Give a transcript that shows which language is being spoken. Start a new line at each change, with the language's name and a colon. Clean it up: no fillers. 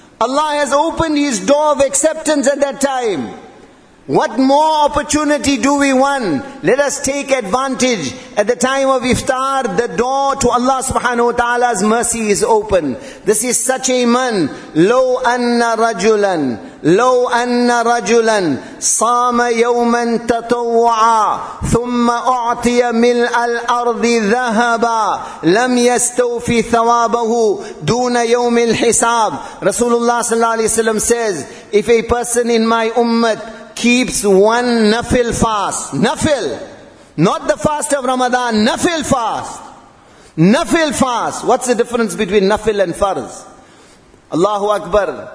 English: Allah has opened His door of acceptance at that time. What more opportunity do we want? Let us take advantage. At the time of iftar, the door to Allah subhanahu wa ta'ala's mercy is open. This is such a man.
Arabic: Lo anna rajulan لو أن رجلا صام يوما تطوعا ثم أعطي ملء الأرض ذهبا لم يستوفي ثوابه دون يوم الحساب.
English: Rasulullah sallallahu alayhi wa sallam says, if a person in my ummah keeps one nafil fast, nafil, not the fast of Ramadan, nafil fast, nafil fast. What's the difference between nafil and farz? Allahu Akbar.